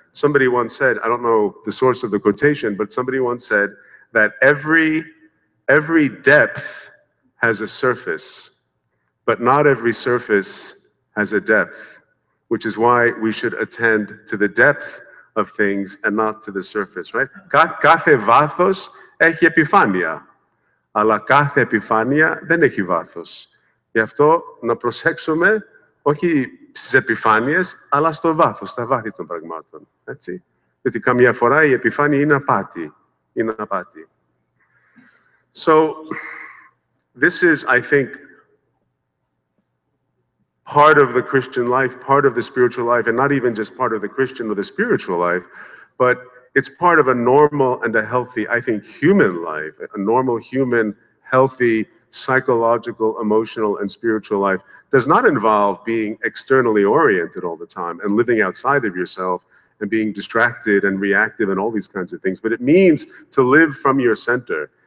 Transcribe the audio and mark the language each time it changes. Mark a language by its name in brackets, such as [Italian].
[English] Somebody once said, I don't know the source of the quotation, but somebody once said that every depth has a surface, but not every surface has a depth, which is why we should attend to the depth of things and not to the surface, right? [Greek] Κάθε βάθος έχει επιφάνεια, αλλά κάθε επιφάνεια δεν έχει βάθος. Γι' αυτό να προσέξουμε όχι στις επιφάνειες, αλλά στο βάθος, στα βάθη των πραγμάτων. Έτσι. Γιατί καμιά φορά η επιφάνεια είναι απάτη. Είναι απάτη. [English] So, this is, I think, part of the Christian life, part of the spiritual life, and not even just part of the Christian or the spiritual life, but it's part of a normal and a healthy, I think, human life, a normal, human, healthy, psychological, emotional, and spiritual life does not involve being externally oriented all the time and living outside of yourself and being distracted and reactive and all these kinds of things. But it means to live from your center.